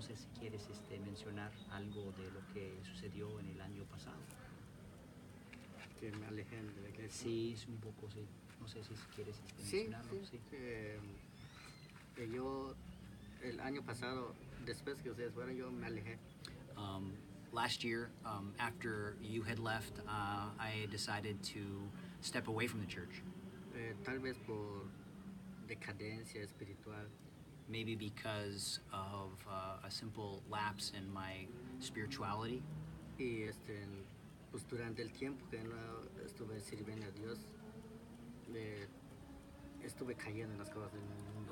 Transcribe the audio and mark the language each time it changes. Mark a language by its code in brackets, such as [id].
[es] No sé si quieres mencionar algo de lo que sucedió en el año pasado. Que me alejé de la iglesia. Sí, es un poco, sí. No sé si quieres mencionarlo. Sí, sí. Yo... El año pasado, después que ustedes fueron, yo me alejé. [en] Last year, after you had left, I decided to step away from the church. [es] Tal vez por decadencia espiritual. [en] Maybe because of a simple lapse in my spirituality. [es] Y pues durante el tiempo que no estuve sirviendo a Dios, estuve cayendo en las cosas del mundo.